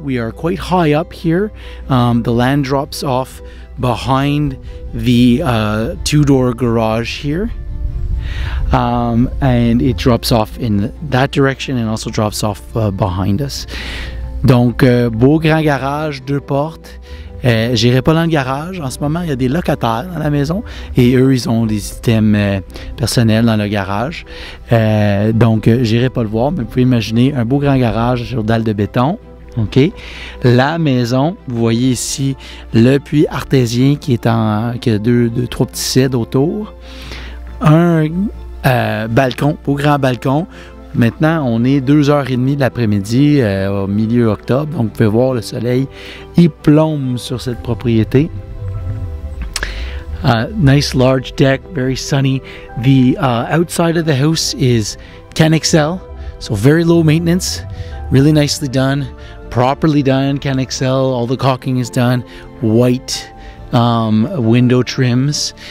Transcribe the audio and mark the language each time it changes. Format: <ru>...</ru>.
<en>We are quite high up here. The land drops off behind the two-door garage here, and it drops off in that direction and also drops off behind us.</en> <fr>Donc, beau grand garage, deux portes. J'irai pas dans le garage. En ce moment, il y a des locataires dans la maison et eux, ils ont des items personnels dans le garage. J'irai pas le voir, mais vous pouvez imaginer un beau grand garage sur dalle de béton. OK. La maison, vous voyez ici le puits artésien qui est en qui a trois petits cèdres autour. Un balcon, beau grand balcon. Maintenant, on est 2h30 de l'après-midi au milieu octobre, donc vous pouvez voir le soleil il plombe sur cette propriété.</fr> <en>Nice large deck, very sunny. The outside of the house is 10XL, so very low maintenance, really nicely done. Properly done, can excel, all the caulking is done, white window trims.</en>